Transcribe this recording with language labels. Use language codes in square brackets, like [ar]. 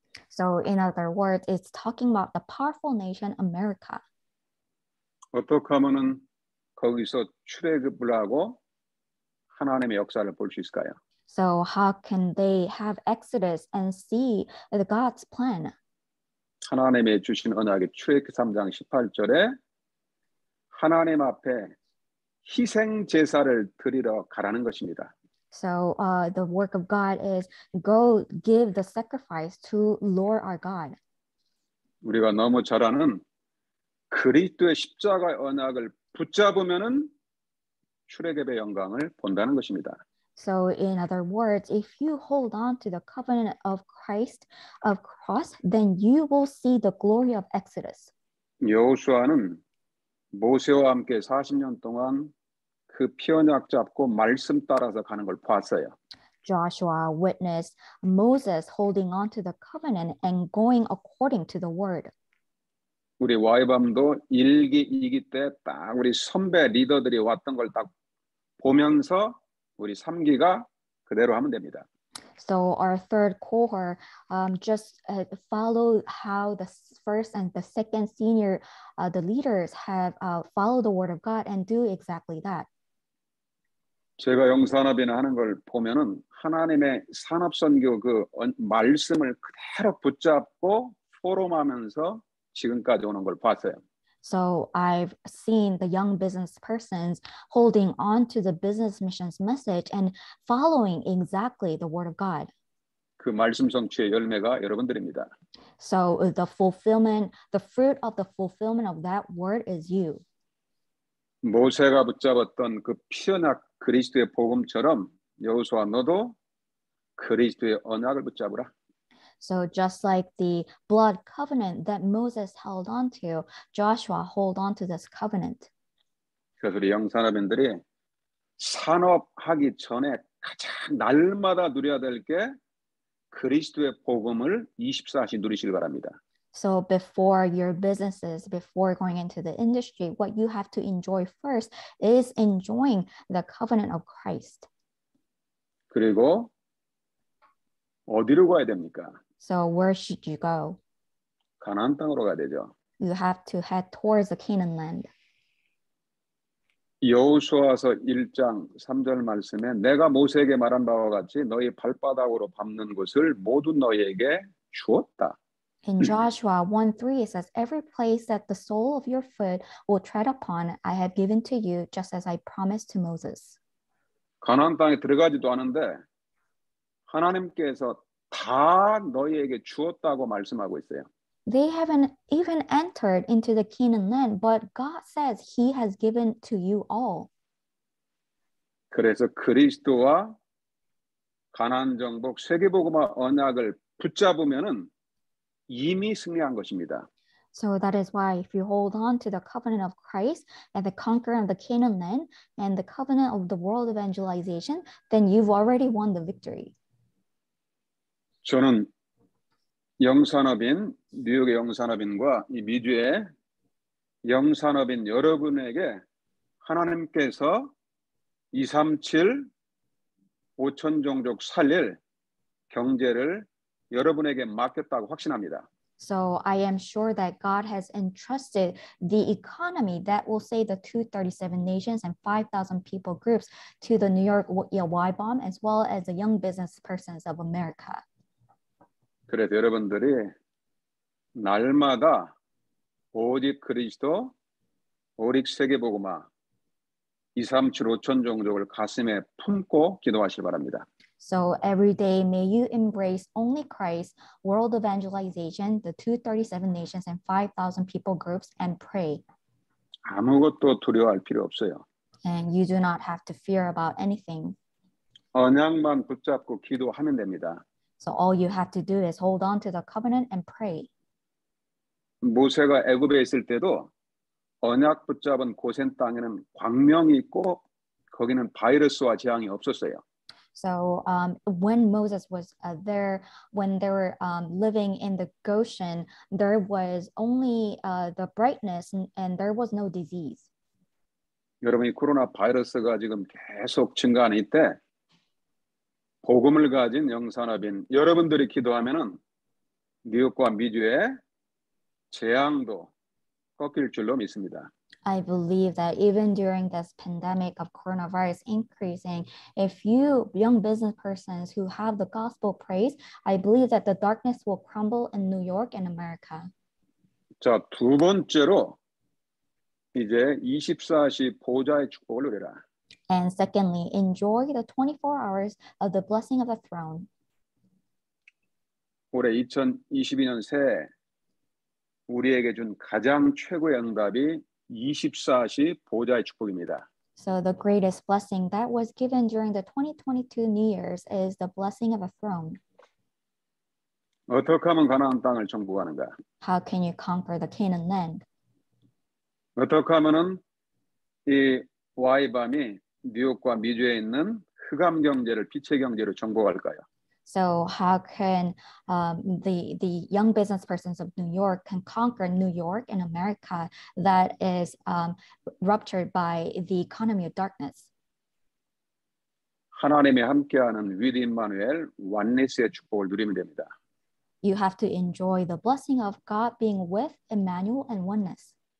[en] So in other words, it's talking about the powerful nation America. [ko] 어떻게 하면은 거기서 출애굽을 하고 하나님의 역사를 볼 수 있을까요? [en] So how can they have Exodus and see God's plan? [ko] 하나님의 주신 언약의 출애굽 3장 18절에 하나님 앞에 희생 제사를 드리러 가라는 것입니다. [en] So the work of God is go give the sacrifice to Lord our God. [ko] 우리가 너무 잘 아는 그리스도의 십자가 언약을 붙잡으면은 출애굽의 영광을 본다는 것입니다. [en] So in other words, if you hold on to the covenant of Christ of cross, then you will see the glory of Exodus. [ko] 여호수아는 모세와 함께 40년 동안 그 피 언약 잡고 말씀 따라서 가는 걸 봤어요. [en] Joshua witnessed Moses holding on to the covenant and going according to the word. [ko] 우리 YBAWM도 1기, 2기 때 딱 우리 선배 리더들이 왔던 걸 딱 보면서 우리 3기가 그대로 하면 됩니다. [en] So our third cohort just follow how the first and the second senior the leaders have followed the word of God and do exactly that. [ko] 제가 영산업이나 하는 걸 보면은 하나님의 산업 선교 그 말씀을 그대로 붙잡고 포럼하면서 지금까지 오는 걸 봤어요. [en] So I've seen the young business persons holding on to the business mission's message and following exactly the word of God. [ko] 그 말씀 성취의 열매가 여러분들입니다. [en] So the fulfillment, the fruit of the fulfillment of that word is you. [ko] 모세가 붙잡았던 그 피 언약 그리스도의 복음처럼 여호수아 너도 그리스도의 언약을 붙잡으라. [en] So just like the blood covenant that Moses held on to, Joshua hold on to this covenant. [ko] 그래서 우리 영산업인들이 산업하기 전에 가장 날마다 누려야 될 게 그리스도의 복음을 24시 누리시길 바랍니다. [en] So before your businesses, before going into the industry, what you have to enjoy first is enjoying the covenant of Christ. [ko] 그리고 어디로 가야 됩니까? [en] So where should you go? [ko] 가나안 땅으로 가야 되죠. [en] You have to head towards the Canaan land. [ko] 여호수아서 1장 3절 말씀에 내가 모세에게 말한 바와 같이 너희 발바닥으로 밟는 곳을 모두 너희에게 주었다. [en] In Joshua 1:3 it says every place that the sole of your foot will tread upon I have given to you just as I promised to Moses. [ko] 가나안 땅에 들어가지도 않은데 하나님께서 다 너희에게 주었다고 말씀하고 있어요. [en] They haven't even entered into the Canaan land, but God says He has given to you all. [ko] 그래서 그리스도와 가나안 정복 세계복음화 언약을 붙잡으면은 이미 승리한 것입니다. [en] So that is why if you hold on to the covenant of Christ and the conquering of the Canaan land and the covenant of the world evangelization, then you've already won the victory. [ko] 저는 영산업인 뉴욕의 영산업인과 이 미주의 영산업인 여러분에게 하나님께서 237 5천 종족 살릴 경제를 여러분에게 맡겼다고 확신합니다. [en] So I am sure that God has entrusted the economy that will save the 237 nations and 5,000 people groups to the New York YBAWM as well as the young business persons of America. [ko] 그래서 여러분들이 날마다 오직 그리스도, 오직 세계복음화, 237 5천 종족을 가슴에 품고 기도하시길 바랍니다. [en] So every day may you embrace only Christ, world evangelization, the 237 nations and 5,000 people groups and pray. [ko] 아무것도 두려워할 필요 없어요. [en] And you do not have to fear about anything. [ko] 언약만 붙잡고 기도하면 됩니다. [en] So all you have to do is hold on to the covenant and pray. [ko] 모세가 애굽에 있을 때도 언약 붙잡은 고센 땅에는 광명이 있고 거기는 바이러스와 재앙이 없었어요. [en] So when Moses was there, when they were living in the Goshen, there was only the brightness and there was no disease. [ko] 여러분이 코로나 바이러스가 지금 계속 증가하는 이때 복음을 가진 영산업인 여러분들이 기도하면은 뉴욕과 미주의 재앙도 꺾일 줄로 믿습니다. [en] I believe that even during this pandemic of coronavirus increasing, if you young business persons who have the gospel praise, I believe that the darkness will crumble in New York and America. [ko] 자, 두 번째로 이제 24시 보좌의 축복을 누리라. [en] And secondly, enjoy the 24 hours of the blessing of the throne. [ko] 올해 2022년 새해 우리에게 준 가장 최고의 응답이 24시 보좌의 축복입니다. [en] So the greatest blessing that was given during the 2022 New Year's is the blessing of a throne. [ko] 어떻게 하면 가나안 땅을 정복하는가? [en] How can you conquer the Canaan land? [ko] 어떻게 하면은 이 YBAWM이 뉴욕과 미주에 있는 흑암 경제를 빛의 경제로 정복할까요? [en] So how can the young business persons of New York can conquer New York and America that is ruptured by the economy of darkness? [ko] 하나님이 함께하는 위드 임마누엘 완리스의 축복을 누리면 됩니다. [en] You have to enjoy the blessing of God being with Emmanuel and oneness.